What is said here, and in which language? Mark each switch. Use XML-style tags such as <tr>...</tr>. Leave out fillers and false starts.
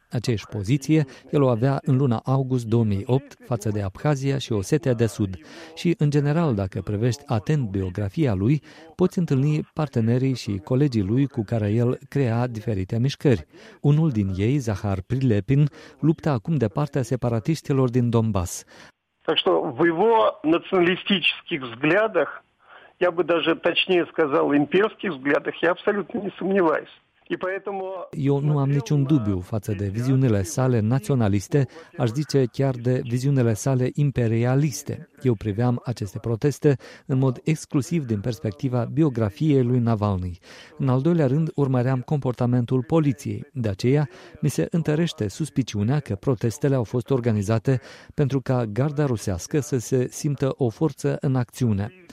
<ro>Aceeași poziție el o avea în luna august 2008 față de Abhazia și Osetia de Sud. Și, în general, dacă privești atent biografia lui, poți întâlni partenerii și colegii lui cu care el crea diferite mișcări. Unul din ei, Zahar Prilepin, luptă acum de partea separatiștilor din Donbass.</ro> <ru>Так что в его националистических взглядах, я бы даже точнее сказал, имперских взглядах, я абсолютно не сомневаюсь.</ru> <ro>Eu nu am niciun dubiu față de viziunile sale naționaliste, aș zice chiar de viziunile sale imperialiste. Eu priveam aceste proteste în mod exclusiv din perspectiva biografiei lui Navalny. În al doilea rând, urmăream comportamentul poliției. De aceea, mi se întărește suspiciunea că protestele au fost organizate pentru ca garda rusească să se simtă o forță în acțiune.</ro>